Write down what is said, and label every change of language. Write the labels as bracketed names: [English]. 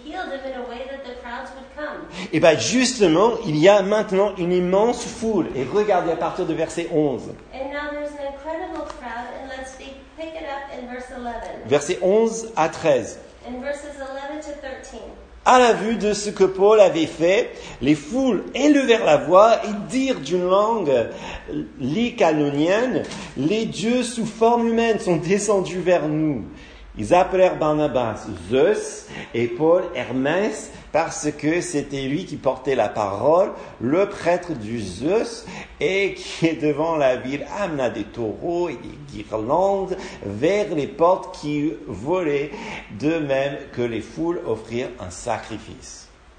[English] healed them in a way that the crowds would come. [French] Et bien justement, il y a maintenant une immense foule. Et regardez à partir de verset 11. [English] And now there's an incredible crowd, and let's pick it up in verse 11. [French] Versets 11 à 13. [English] In verses 11 to 13. [French] À la vue de ce que Paul avait fait, les foules élevèrent la voix et dirent d'une langue lycaonienne : les dieux sous forme humaine sont descendus vers nous. Ils appelèrent Barnabas Zeus et Paul Hermès parce que c'était lui qui portait la parole, le prêtre du Zeus, et qui est devant la ville amena des taureaux et des guirlandes vers les portes qui volaient, de même que les foules offrirent un sacrifice.